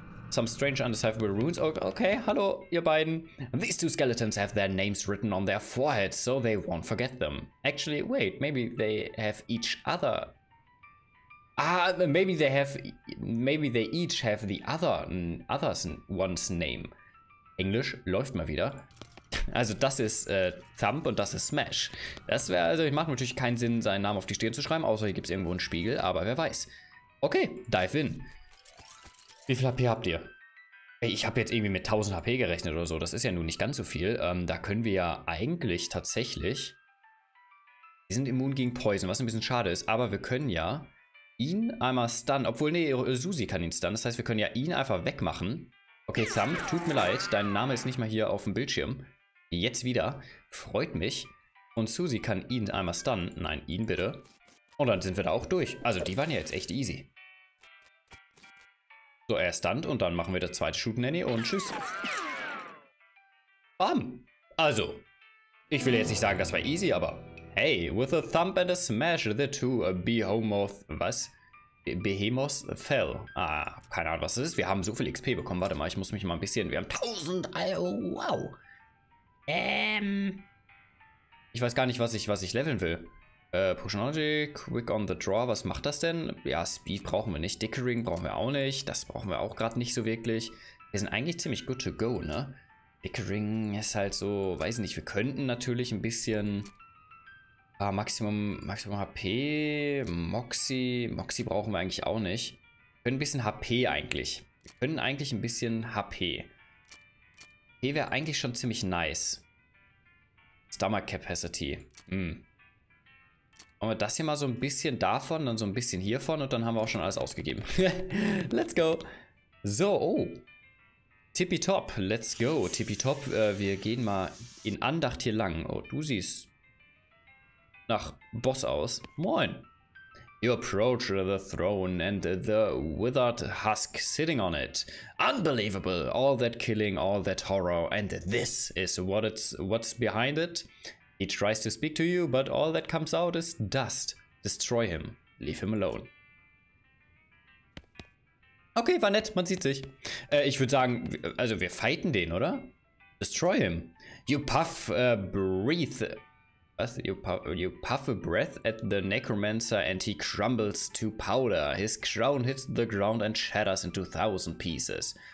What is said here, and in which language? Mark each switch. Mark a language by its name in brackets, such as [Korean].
[English] Some strange undecipherable runes. [German] Okay, hallo, ihr beiden. [English] These two skeletons have their names written on their foreheads, so they won't forget them. Actually, wait, maybe they have each other. Maybe they each have the other's one's name. [German] Englisch läuft mal wieder. Also das ist Thump und das ist Smash. Das wäre also, ich mache natürlich keinen Sinn, seinen Namen auf die Stirn zu schreiben, außer hier gibt's irgendwo einen Spiegel, aber wer weiß. Okay, dive in. Wie viel HP habt ihr? Ey, ich habe jetzt irgendwie mit 1000 HP gerechnet oder so. Das ist ja nun nicht ganz so viel. Da können wir ja eigentlich tatsächlich... Wir sind immun gegen Poison, was ein bisschen schade ist. Aber wir können ja ihn einmal stunnen. Obwohl, nee, Susi kann ihn stunnen. Das heißt, wir können ja ihn einfach wegmachen. Okay, Thump, tut mir leid. Dein Name ist nicht mal hier auf dem Bildschirm. Jetzt wieder. Freut mich. Und Susie kann ihn einmal stunnen. Nein, ihn bitte. Und dann sind wir da auch durch. Also die waren ja jetzt echt easy. So, er stunnt und dann machen wir das zweite Shoot-Nanny und tschüss. Bam. Also, ich will jetzt nicht sagen, das war easy, aber... [English] Hey, with a thump and a smash, the two behemoth... [German] Was? [English] Behemoth fell. [German] Ah, keine Ahnung, was das ist. Wir haben so viel XP bekommen. Warte mal, ich muss mich mal ein bisschen... Wir haben 1000... Oh, wow. Ich weiß gar nicht, was ich leveln will. Potionology, quick on the draw, was macht das denn? Ja, Speed brauchen wir nicht. Dickering brauchen wir auch nicht. Das brauchen wir auch gerade nicht so wirklich. Wir sind eigentlich ziemlich good to go, ne? Dickering ist halt so, weiß nicht, wir könnten natürlich ein bisschen Maximum HP, Moxie brauchen wir eigentlich auch nicht. Wir können ein bisschen HP eigentlich. Wir können eigentlich ein bisschen HP. HP wäre eigentlich schon ziemlich nice. Stomach Capacity. Machen wir das hier mal so ein bisschen davon, dann so ein bisschen hiervon und dann haben wir auch schon alles ausgegeben. [English] Let's go. [German] So, oh. Tippitopp, let's go. Tippitopp, wir gehen mal in Andacht hier lang. Oh, du siehst nach Boss aus. Moin. [English] You approach the throne and the withered husk sitting on it. Unbelievable. All that killing, all that horror and this is what's behind it. He tries to speak to you, but all that comes out is dust. Destroy him. Leave him alone. [German] Okay, war nett. Man sieht sich. Ich würde sagen, also wir fighten den, oder? [English] Destroy him. You puff breathe. Was? You puff a breath at the necromancer and he crumbles to powder. His crown hits the ground and shatters into 1000 pieces.